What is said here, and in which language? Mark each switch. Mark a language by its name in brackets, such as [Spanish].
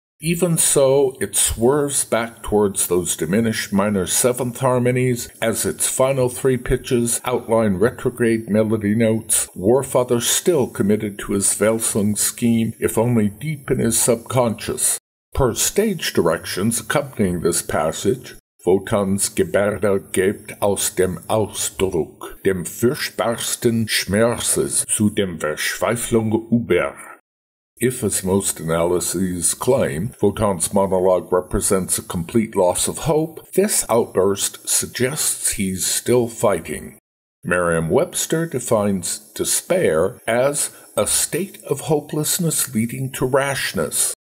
[English] Even so, it swerves back towards those diminished minor seventh harmonies as its final three pitches outline retrograde melody notes, Warfather still committed to his Velsung scheme, if only deep in his subconscious. Per stage directions accompanying this passage, Wotan's [German] Gebärde gibt aus dem Ausdruck dem furchtbarsten Schmerzes zu dem Verschweiflung über. [English] If, as most analyses claim, Wotan's monologue represents a complete loss of hope, this outburst suggests he's still fighting. Merriam-Webster defines despair as a state of hopelessness leading to rashness.